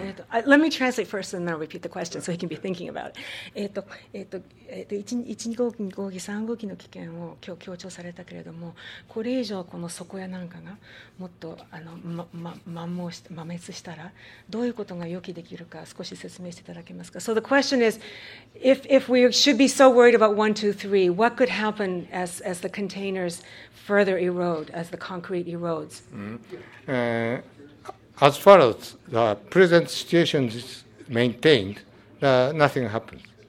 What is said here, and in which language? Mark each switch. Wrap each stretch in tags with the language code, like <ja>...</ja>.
<en>Let me translate first and then I'll repeat the question so he can be thinking about it.</en> <ja>1、2号機、2号機、3号機の危険を今日強調されたけれども、これ以上この底屋なんかがもっと摩滅したら、どういうことが予期できるか少し説明していただけますか。</ja> <en>So the question is, if we should be so worried about 1, 2, 3, what could happen as the containers further erode, as the concrete erodes?、 As far as the present situation is maintained, nothing happens.</en>